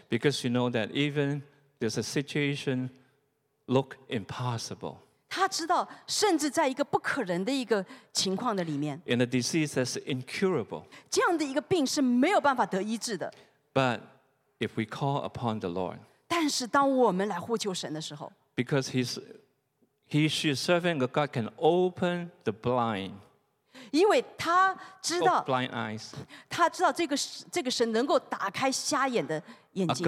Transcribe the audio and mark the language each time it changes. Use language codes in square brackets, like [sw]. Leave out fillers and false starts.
[en] Because she know that even there's a situation look impossible. [zh] 他知道甚至在一个不可能的一个情况的里面 [en] In a disease that's incurable [zh] 这样的一个病是没有办法得医治的 [en] But if we call upon the Lord [zh] 但是当我们来呼求神的时候 [en] Because he's serving a God can open the blind [zh] 因为他知道 [en] Open blind eyes [zh] 他知道这个神能够打开瞎眼的眼睛